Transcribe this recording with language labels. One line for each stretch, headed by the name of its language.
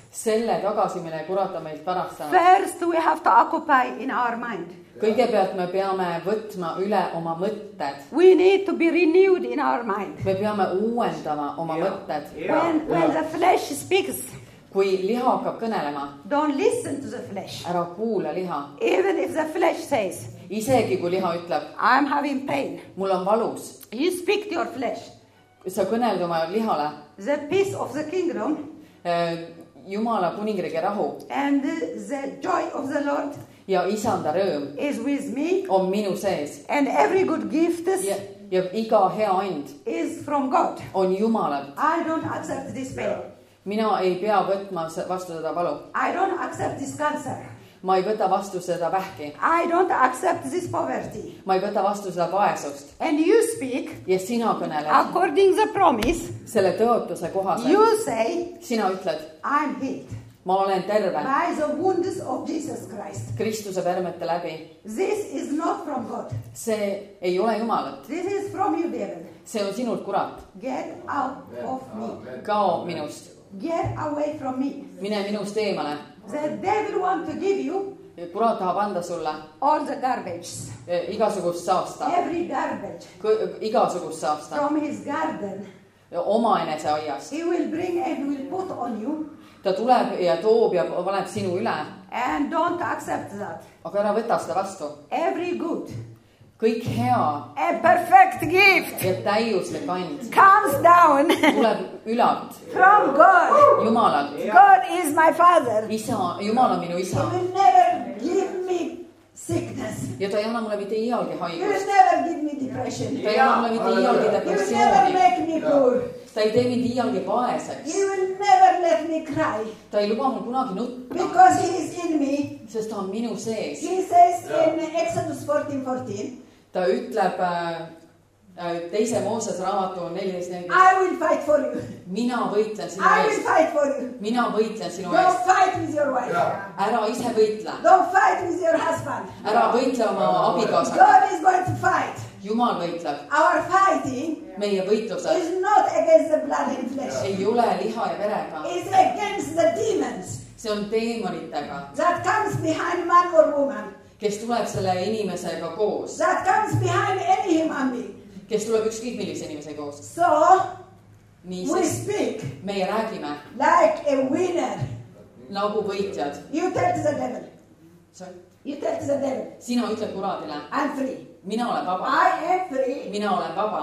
Estonian: Selle tagasimine kurata meilt pärast.
English: First we have to occupy in our mind.
Estonian: Kõigepealt me peame võtma üle oma mõtted.
English: We need to be renewed in our mind.
Estonian: Me peame uuendama oma mõtted.
English: When the flesh speaks.
Estonian: Kui liha hakkab kõnelema.
English: Don't listen to the flesh.
Estonian: Ära kuule liha.
English: Even if the flesh says.
Estonian: Isegi kui liha ütleb,
English: I'm having pain.
Estonian: Mul on valus.
English: You speak to your flesh.
Estonian: Sa kõneld oma lihale.
English: The peace of the kingdom.
Estonian: Jumala kuningrige rahu.
English: And the joy of the Lord.
Estonian: Ja isanda rõõm.
English: Is with me.
Estonian: On minu sees.
English: And every good gift is.
Estonian: Ja iga hea and.
English: Is from God.
Estonian: On Jumalalt.
English: I don't accept this pain.
Estonian: Mina ei pea võtma vastu seda valu.
English: I don't accept this cancer.
Estonian: Ma ei võta vastu seda vähki.
English: I don't accept this poverty.
Estonian: Ma ei võta vastu seda vaesust.
English: And you speak.
Estonian: Ja sina kõneled.
English: According the promise.
Estonian: Selle tõotuse kohaselt.
English: You say.
Estonian: Sina ütled.
English: I'm healed.
Estonian: Ma olen terve.
English: By the wounds of Jesus Christ.
Estonian: Kristuse vermete läbi.
English: This is not from God.
Estonian: See ei ole Jumalat.
English: This is from you, devil.
Estonian: See on sinult kurat.
English: Get out of me.
Estonian: Kao minust.
English: Get away from me.
Estonian: Mine minust eemale.
English: The devil want to give you.
Estonian: Kurat tahab anda sulle.
English: All the garbage.
Estonian: Igasugust saasta.
English: Every garbage.
Estonian: Igasugust saasta.
English: From his garden.
Estonian: Oma enese aias.
English: He will bring and will put on you.
Estonian: Ta tuleb ja toob ja paneb sinu üle.
English: And don't accept that.
Estonian: Aga ära võta seda vastu.
English: Every good.
Estonian: Kõik hea.
English: A perfect gift.
Estonian: Ja täiuslik and.
English: Comes down.
Estonian: Tuleb ülalt.
English: From God.
Estonian: Jumalalt.
English: God is my father.
Estonian: Isa, Jumal on minu isa.
English: He will never give me sickness.
Estonian: Ja ta ei anna mulle mitte iialgi haigust.
English: He will never give me depression.
Estonian: Ta ei anna mulle mitte iialgi depressiooni.
English: He will never make me poor.
Estonian: Ta ei tee mind iialgi paeseks.
English: He will never let me cry.
Estonian: Ta ei luba mul kunagi nutta.
English: Because he is in me.
Estonian: Sest ta on minu sees.
English: He says in Exodus 14:14.
Estonian: Ta ütleb teise Mooses raamatu 14:14.
English: I will fight for you.
Estonian: Mina võitlen sinu eest.
English: I will fight for you.
Estonian: Mina võitlen sinu eest.
English: Don't fight with your wife.
Estonian: Ära ise võitle.
English: Don't fight with your husband.
Estonian: Ära võitle oma abikaasaga.
English: God is going to fight.
Estonian: Jumal võitleb.
English: Our fighting
Estonian: meie võitlused
English: is not against the blood and flesh.
Estonian: Ei ole liha ja verega.
English: It's against the demons.
Estonian: See on teemonitega.
English: That comes behind man or woman.
Estonian: Kes tuleb selle inimesega koos.
English: That comes behind any human being.
Estonian: Kes tuleb ükskõik millise inimese koos.
English: So,
Estonian: niises,
English: we speak
Estonian: meie räägime
English: like a winner.
Estonian: Nagu võitjad.
English: You tell to the devil. Sorry. You tell to the devil.
Estonian: Sina ütleb kuradile.
English: I'm free.
Estonian: Mina olen vaba.
English: I am free.
Estonian: Mina olen vaba.